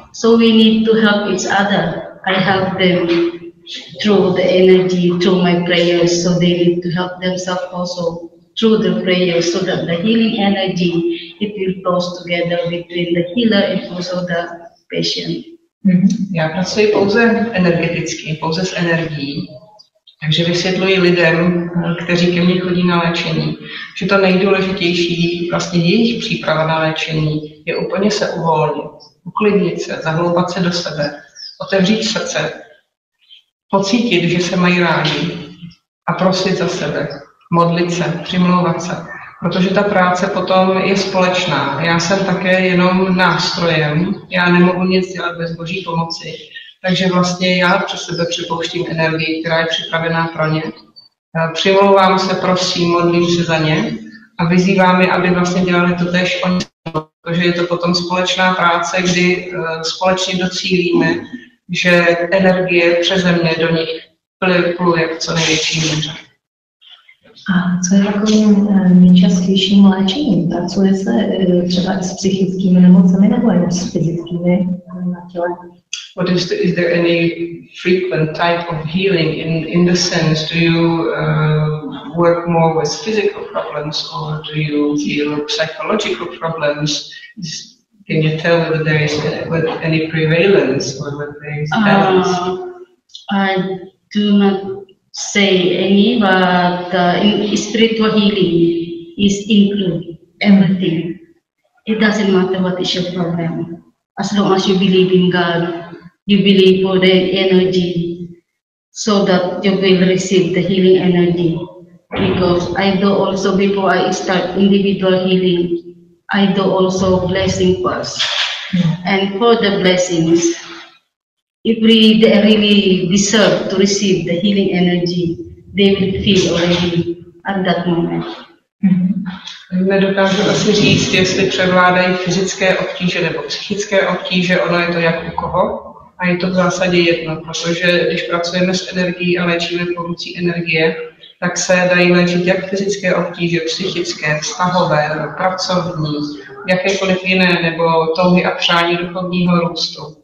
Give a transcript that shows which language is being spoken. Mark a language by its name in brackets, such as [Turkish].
[English] So we need to help each other. I help them through the energy, through my prayers, so they need to help themselves also through the prayers, so that the healing energy, it will flow together between the healer and also the patient. Mm-hmm. [Czech] Já pracuji pouze energeticky, pouze s energií, takže vysvětluji lidem, kteří ke mně chodí na léčení, že to nejdůležitější, vlastně jejich příprava na léčení, je úplně se uvolnit, uklidnit se, zahloubat se do sebe, otevřít srdce, pocítit, že se mají rádi a prosit za sebe, modlit se, přimlouvat se. Protože ta práce potom je společná. Já jsem také jenom nástrojem. Já nemohu nic dělat bez Boží pomoci. Takže vlastně já přes sebe připouštím energii, která je připravená pro ně. Přimlouvám se, prosím, modlím se za ně a vyzývám je, aby vlastně dělali to též oni. Protože je to potom společná práce, kdy společně docílíme, že energie přeze mě do nich pluje v co největší míře. A co je takovým nejčastějším léčením? Pracuje se třeba s psychickými nemocemi nebo jen s fyzickými na těle? [English] What is there any frequent type of healing in the sense? Do you work more with physical problems or do you deal with psychological problems? Can you tell whether there is any prevalence or whether there is balance? I do not say any, but in spiritual healing is include everything. It doesn't matter what is your problem. As long as you believe in God, you believe for the energy so that you will receive the healing energy. Because I do also, before I start individual healing, I do also blessing first. And for the blessings, if we really deserve to receive the healing energy, they will feel already at that moment. [Czech] Nedokážu asi říct, jestli převládají fyzické obtíže nebo psychické obtíže, ono je to jak u koho. A je to v zásadě jedno, protože když pracujeme s energií a léčíme pomocí energie, tak se dají léčit jak fyzické obtíže, psychické, vztahové, pracovní, jakékoliv jiné, nebo touhy a přání duchovního růstu.